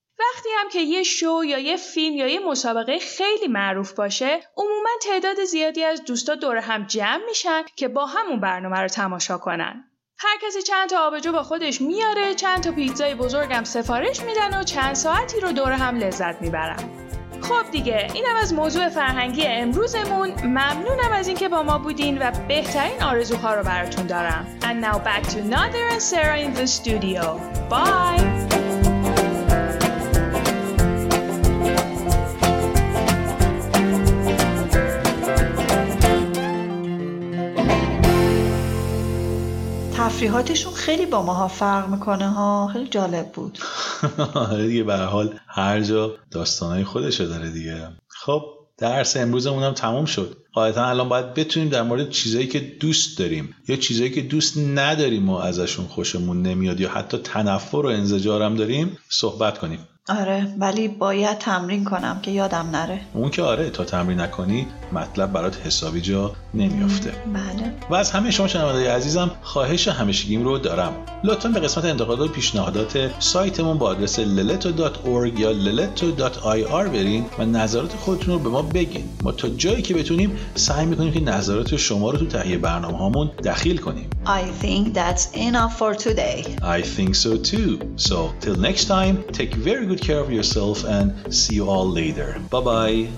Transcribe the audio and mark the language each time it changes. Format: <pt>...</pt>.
<fa>وقتی هم که یه شو یا یه فیلم یا یه مسابقه خیلی معروف باشه، عموماً تعداد زیادی از دوستا دور هم جمع میشن که با همون برنامه رو تماشا کنن. هر کسی چند تا آبجو با خودش میاره، چند تا پیتزای بزرگم سفارش میدن و چند ساعتی رو دور هم لذت میبرن. خب دیگه، اینم از موضوع فرهنگی امروزمون. ممنونم از اینکه با ما بودین و بهترین آرزوها رو براتون دارم.</fa> <en>And now back to Nader and Sarah in the studio. Bye.</en> <fa>تفریحاتشون خیلی با ماها فرق میکنه ها، خیلی جالب بود. آره دیگه، به هر حال هر جا داستانای خودشو داره دیگه. خب درس امروزمون هم تموم شد. قاعدتا الان باید بتونیم در مورد چیزایی که دوست داریم یا چیزایی که دوست نداریم و ازشون خوشمون نمیاد یا حتی تنفر و انزجار هم داریم صحبت کنیم. آره، ولی باید تمرین کنم که یادم نره. اون که آره، تا تمرین نکنی مطلب برات حسابی جا نمیافته. بله. و از همه شما شنوندگان عزیزم خواهش همیشگیم رو دارم، لطفاً به قسمت انتقادات و پیشنهادات سایتمون با آدرس leleto.org یا leleto.ir برین و نظرات خودتون رو به ما بگین. ما تا جایی که بتونیم سعی میکنیم که نظرات شما رو تو تهیه برنامه‌هامون دخیل کنیم.</fa> <en>I think that's enough for today. I think so too. So till next time, take very good care of yourself and see you all later. Bye-bye.</en>